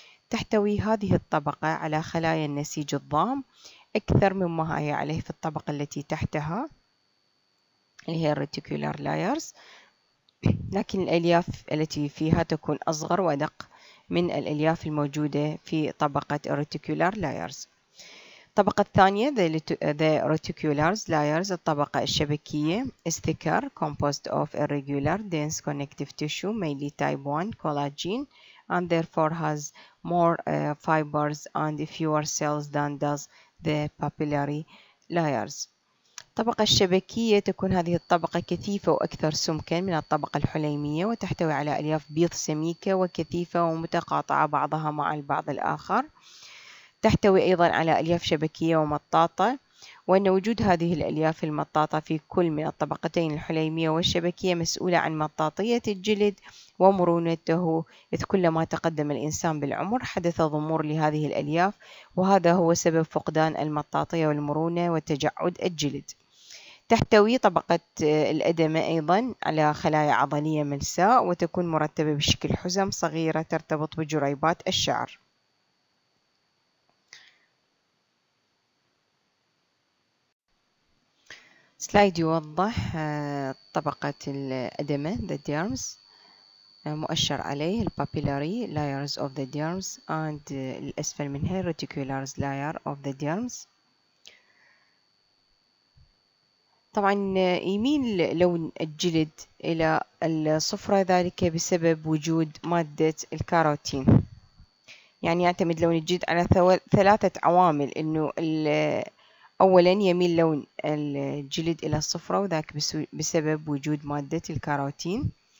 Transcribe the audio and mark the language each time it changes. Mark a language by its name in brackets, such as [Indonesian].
[Arabic] تحتوي هذه الطبقة على خلايا النسيج الضام أكثر مما هي عليه في الطبقة التي تحتها اللي هي الريتيكولار لايرز، لكن الألياف التي فيها تكون أصغر ودق من الألياف الموجودة في طبقة الريتيكولار لايرز. الطبقة الثانية [English] the reticular layers، [Arabic] الطبقة الشبكية [English] is thicker composed of irregular dense connective tissue mainly type 1 collagen and therefore has more fibers and fewer cells than does the papillary layers. [Arabic] الطبقة الشبكية تكون هذه الطبقة كثيفة وأكثر سمكاً من الطبقة الحليمية، وتحتوي على ألياف بيض سميكة وكثيفة ومتقاطعة بعضها مع البعض الآخر. تحتوي أيضا على ألياف شبكية ومطاطة، وأن وجود هذه الألياف المطاطة في كل من الطبقتين الحليمية والشبكية مسؤولة عن مطاطية الجلد ومرونته، إذ كلما تقدم الإنسان بالعمر حدث ضمور لهذه الألياف، وهذا هو سبب فقدان المطاطية والمرونة وتجعد الجلد. تحتوي طبقة الأدمة أيضا على خلايا عضلية ملساء، وتكون مرتبة بشكل حزم صغيرة ترتبط بجريبات الشعر. سلايد يوضح طبقة الأدمة [English] the derms، [Arabic] مؤشر عليه [English] the papillary layers of the derms and [Arabic] الأسفل منها [English] the reticular layer of the derms. [Arabic] طبعا يميل لون الجلد إلى الصفرة، ذلك بسبب وجود مادة الكاروتين. يعني يعتمد لون الجلد على ثلاثة عوامل، إنه أولا يميل لون الجلد إلى الصفرة وذاك بسبب وجود مادة الكاروتين.